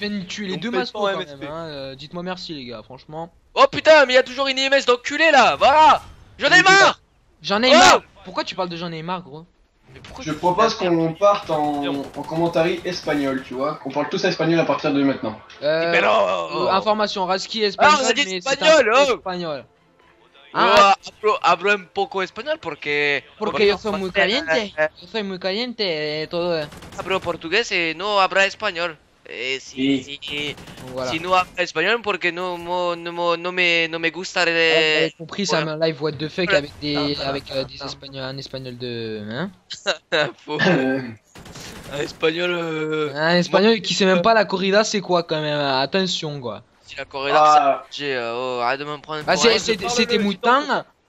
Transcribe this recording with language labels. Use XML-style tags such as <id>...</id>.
<fr>Je viens de tuer les deux masques quand même hein. Dites-moi merci les gars, franchement. Oh putain, mais il y a toujours une IMS d'enculé là. Voilà. J'en ai marre. J'en ai marre. Pourquoi tu parles de j'en ai marre gros? Mais pourquoi? Je propose qu'on parte en commentary espagnol, tu vois. Qu'on parle tous espagnol à partir de maintenant. Information Raski espagnol. Ah, on a dit espagnol. Espagnol.</fr> <es>Ah, yo hablo un poco español porque yo soy muy caliente. Yo soy muy caliente todo. Hablo portugués y no habla español. Sí, sí. Voilà. Si no habla español porque no me gusta de.</es> <fr>J'ai compris, ça, voilà. Live</fr> <en>what the fuck</en> <fr>avec des espagnols, un espagnol de hein. un espagnol espagnol qui sait même pas la corrida c'est quoi quand même. Attention quoi. Si la corrida arrête de me prendre pour c'est des moutons.</fr>